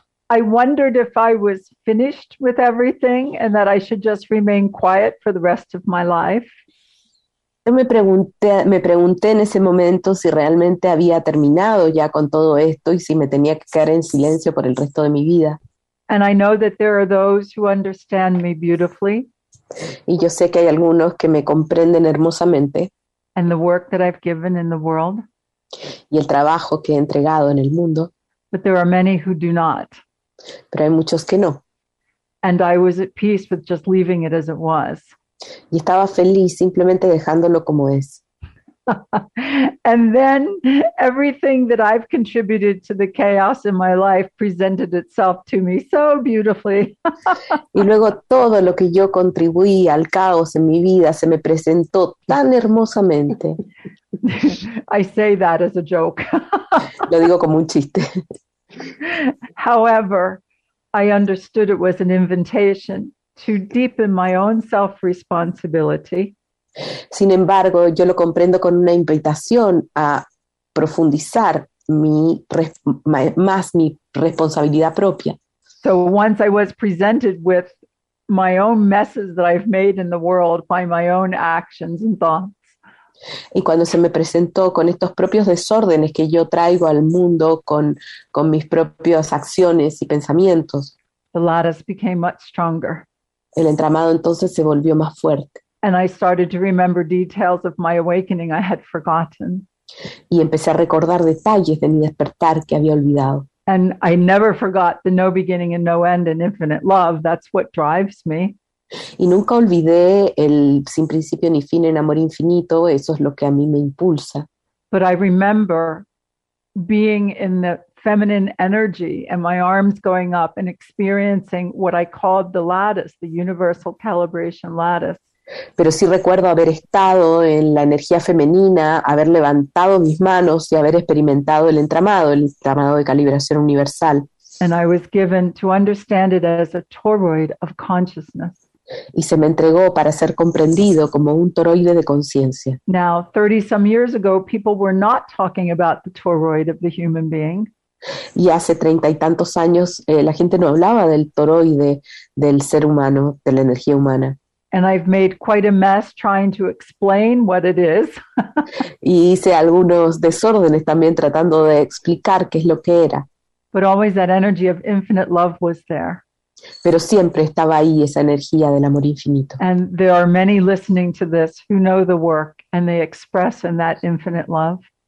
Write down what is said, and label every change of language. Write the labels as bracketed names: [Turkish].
[English] I wondered if I was finished with everything and that I should just remain quiet for the rest of my life. [Spanish] Me pregunté en ese momento si realmente había terminado ya con todo esto y si me tenía que quedar en silencio por el resto de mi vida. [English] And I know that there are those who understand me beautifully. [Spanish] Y yo sé que hay algunos que me comprenden hermosamente. [English] And the work that I've given in the world. [Spanish] Y el trabajo que he entregado en el mundo. [English] But there are many who do not. [Spanish] Pero hay muchos que no. [English] And I was at peace with just leaving it as it was. [Spanish] Y estaba feliz simplemente dejándolo como es. [English] And then everything that I've contributed to the chaos in my life presented itself to me so beautifully. [Spanish] Y luego todo lo que yo contribuí al caos en mi vida se me presentó tan hermosamente. [English] I say that as a joke. [Spanish] Lo digo como un chiste. [English] However, I understood it was an invitation to deepen my own self-responsibility. [Spanish] Sin embargo, yo lo comprendo con una invitación a profundizar mi responsabilidad propia. [English] So once I was presented with my own messes that I've made in the world by my own actions and thoughts. [Spanish] Y cuando se me presentó con estos propios desórdenes que yo traigo al mundo con mis propias acciones y pensamientos. [English] The lattice became much stronger. [Spanish] El entramado entonces se volvió más fuerte. [English] And I started to remember details of my awakening I had forgotten. [Spanish] Y empecé a recordar detalles de mi despertar que había olvidado. [English] And I never forgot the no beginning and no end and infinite love. That's what drives me. [Spanish] Y nunca olvidé el sin principio ni fin en amor infinito. Eso es lo que a mí me impulsa. [English] But I remember being in the feminine energy and my arms going up and experiencing what I called the lattice, the universal calibration lattice. [Spanish] Pero sí recuerdo haber estado en la energía femenina, haber levantado mis manos y haber experimentado el entramado de calibración universal. [English] And I was given to understand it as a toroid of consciousness. [Spanish] Y se me entregó para ser comprendido como un toroide de conciencia. [English] Now, 30 some years ago, people were not talking about the toroid of the human being. [Spanish] Y hace 30 y tantos años, la gente no hablaba del toroide del ser humano, de la energía humana. [English] And I've made quite a mess trying to explain what it is. [Spanish] Y hice algunos desórdenes también tratando de explicar qué es lo que era. [English] But always that energy of infinite love was there. [Spanish] Pero siempre estaba ahí esa energía del amor infinito. [English] And there are many listening to this who know the work and they express in that infinite love.